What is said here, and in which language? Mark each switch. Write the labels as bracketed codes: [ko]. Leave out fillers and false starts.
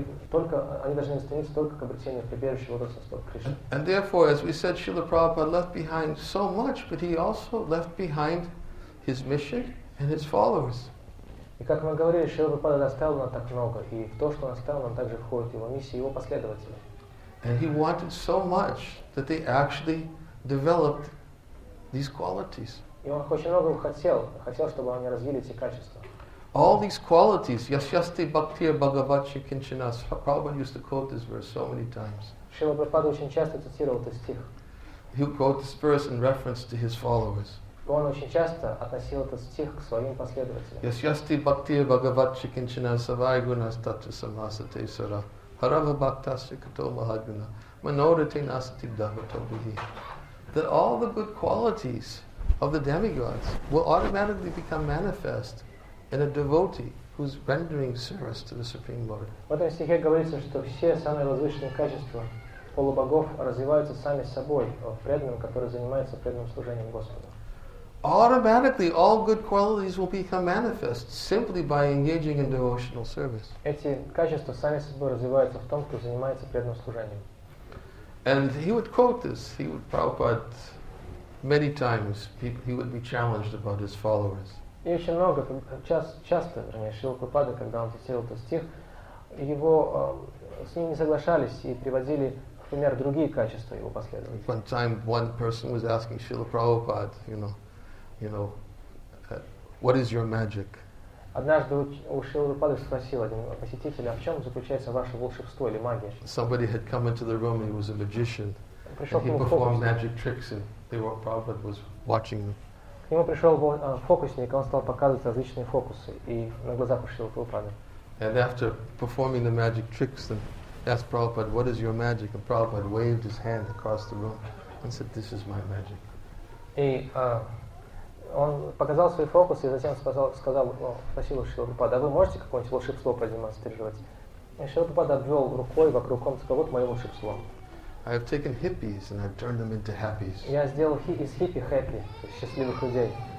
[ru] Только они должны стремиться только к обретению прибежища лотосных стоп Кришны. [en] And therefore, as we said, Srila Prabhupada left behind so much, but he also left behind his mission and his followers. [ru] И как мы говорили, Шрила Прабхупада оставил нам так много, и в то, что он оставил, он также входит его миссия и его последователи. [en] And he wanted so much that they actually developed these qualities. [ru] И он очень много хотел, чтобы они развили эти качества. [en] All these qualities, [sa] yashyasti bhaktir bhagavachi kinchinas. [en] Prabhupada used to quote this verse so many times. [ru] Шрила Прабхупада очень часто цитировал этот стих. [en] He quoted this verse in reference to his followers. [ru] Он очень часто относил этот стих к своим последователям. [sa] Yashyasti bhaktir bhagavachi kinchinas savai gunas tatva samasate sara. Harava bhaktasya kato mahaguna. Manodate nasati dhavato bhihi. [en] That all the good qualities of the demigods will automatically become manifest in a devotee who's rendering service to the Supreme Lord. [ru] В этом стихе говорится, что все самые возвышенные качества полубогов развиваются сами собой в преданном, который занимается преданным служением Господу. [en] Automatically, all good qualities will become manifest simply by engaging in devotional service. [ru] Эти качества сами собой развиваются в том, кто занимается преданным служением. [en] And he would quote this. He would Prabhupada many times. He would be challenged about his followers. [ru] И очень много, часто, вернее, Шрила Прабхупада, когда он цитировал этот стих, его с ним не соглашались и приводили в пример другие качества его последователей. [en] One time, one person was asking Шрила Прабхупада, you know, what is your magic? [ru] Однажды у Шрилы Прабхупады спросил один посетитель, а в чем заключается ваше волшебство или магия? [en] Somebody had come into the room, he was a magician, and he performed magic tricks, and the Lord Prabhupada was watching them. [ru] К нему пришел фокусник, он стал показывать различные фокусы и на глазах у Шрилы Прабхупады. [en] And after performing the magic tricks, then asked Prabhupada, what is your magic? And Prabhupada waved his hand across the room and said, this is my magic. [ru] И он показал свои фокусы и затем спросил у Шрилы Прабхупады, а вы можете какое-нибудь волшебство продемонстрировать? И Шрила Прабхупада обвел рукой вокруг комнаты, сказал, вот мое волшебство. [en] I have taken hippies and I've turned them into happies. [ru] Я сделал из хиппи хэппи, счастливых людей.